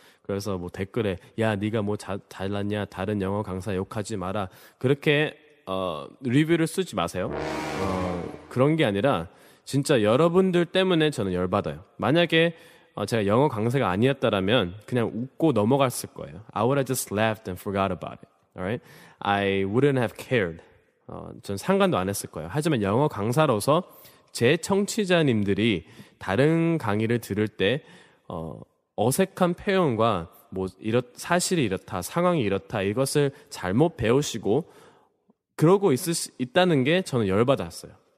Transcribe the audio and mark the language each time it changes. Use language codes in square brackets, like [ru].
[ko] 그래서 뭐 댓글에 야 네가 뭐 잘났냐, 다른 영어 강사 욕하지 마라, 그렇게 리뷰를 쓰지 마세요. 그런 게 아니라 진짜 여러분들 때문에 저는 열받아요. 만약에 제가 영어 강사가 아니었다면 그냥 웃고 넘어갔을 거예요. [en] I would have just laughed and forgot about it. Alright, I wouldn't have cared. [ko] 전 상관도 안 했을 거예요. 하지만 영어 강사로서 제 청취자님들이 다른 강의를 들을 때 어색한 표현과 뭐 사실이 이렇다, 상황이 이렇다, 이것을 잘못 배우시고 그러고 있다는 게 저는 열받았어요.